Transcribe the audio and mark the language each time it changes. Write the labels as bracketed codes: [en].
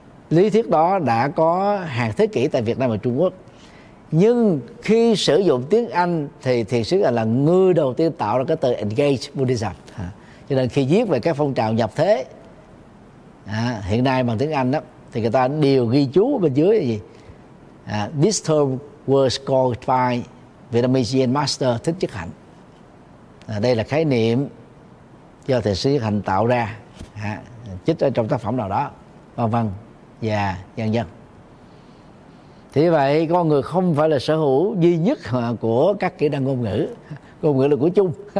[vi] Lý thuyết đó đã có hàng thế kỷ tại Việt Nam và Trung Quốc. Nhưng khi sử dụng tiếng Anh thì thiền sư là người đầu tiên tạo ra cái từ Engage Buddhism. Cho nên khi viết về các phong trào nhập thế hiện nay bằng tiếng Anh đó, thì người ta đều ghi chú bên dưới là gì? [en] This term was called by Vietnamese Zen Master Thích Nhất Hạnh. [vi] Đây là khái niệm do thầy sư Nhất Hạnh tạo ra, chích ở trong tác phẩm nào đó, vân vân và dần dần. Thì vậy con người không phải là sở hữu duy nhất của các kỹ năng ngôn ngữ là của chung.